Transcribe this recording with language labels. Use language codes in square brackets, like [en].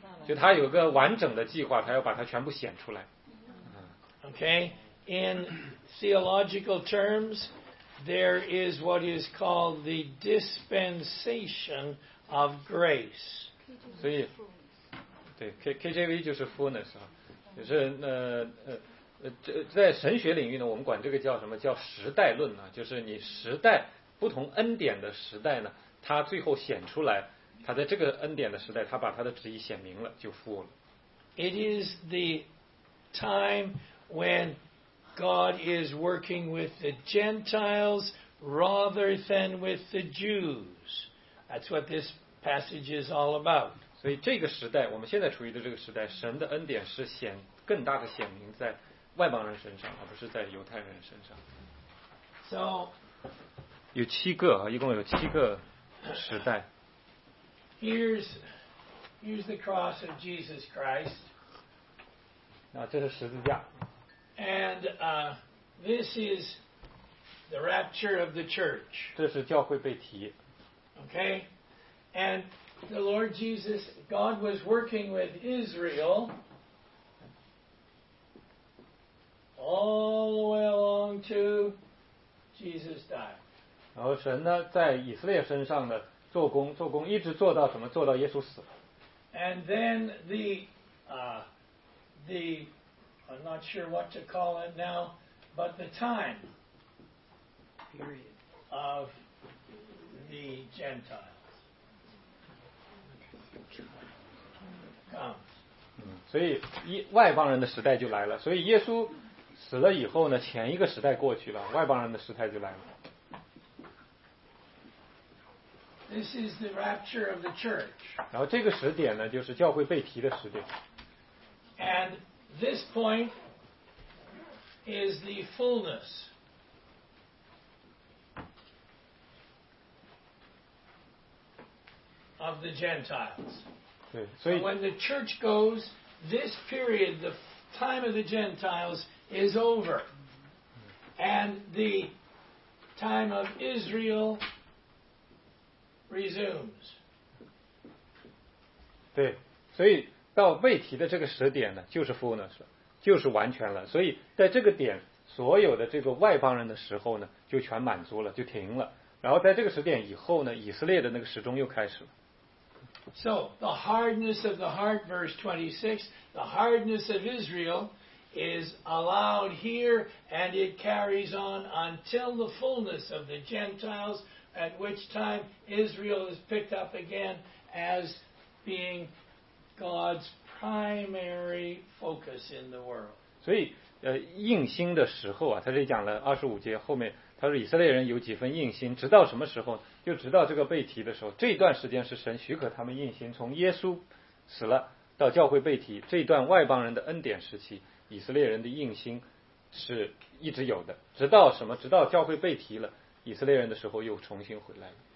[zh] 就他有个完整的计划，他要把它全部显出来。 [en] Okay, in theological terms, there is what is called the dispensation of grace. [zh] 所以，对 KJV 就是 fullness 啊，就是在神学领域呢，我们管这个叫什么？叫时代论啊，就是你时代不同恩典的时代呢，它最后显出来，它在这个恩典的时代，它把它的旨意显明了，就 full 了。 [en] It is the time when God is working with the Gentiles rather than with the Jews. That's what this passage is all about. [zh] 所以这个时代，我们现在处于的这个时代，神的恩典是显更大的显明在外邦人身上，而不是在犹太人身上。 [en] So, [zh] 有七个啊，一共有七个时代。 [en] Here's the cross of Jesus Christ. [zh] 啊，这是十字架。 [en] And this is the rapture of the church. [zh] 这是教会被提。 [en] Okay, and the Lord Jesus, God was working with Israel all the way along to Jesus died. [zh] 然后神呢，在以色列身上呢做工，做工，一直做到什么？做到耶稣死。 [en] And then the I'm not sure what to call it now, but the time period of the Gentiles comes. [zh] 所以外邦人的时代就来了。所以耶稣死了以后呢，前一个时代过去了，外邦人的时代就来了。 [en] This is the rapture of the church. [zh] 然后这个时点呢，就是教会被提的时点。 [en] And this point is the fullness of the Gentiles. [zh] 对，所以 [en] when the church goes, this period, the time of the Gentiles is over, and the time of Israel resumes. [zh] 对，所以到被提的这个时点呢，就是 fullness， 就是完全了。所以在这个点，所有的这个外邦人的时候呢，就全满足了，就停了。然后在这个时点以后呢，以色列的那个时钟又开始了。 [en] So the hardness of the heart, verse 26, the hardness of Israel is allowed here, and it carries on until the fullness of the Gentiles, at which time Israel is picked up again as being God's primary focus in the world. [zh] 所以硬心的时候啊，他这里讲了二十五节后面，他说以色列人有几分硬心，直到什么时候？就直到这个被提的时候，这段时间是神许可他们硬心，从耶稣死了到教会被提，这段外邦人的恩典时期，以色列人的硬心是一直有的，直到什么？直到教会被提了，以色列人的时候又重新回来了。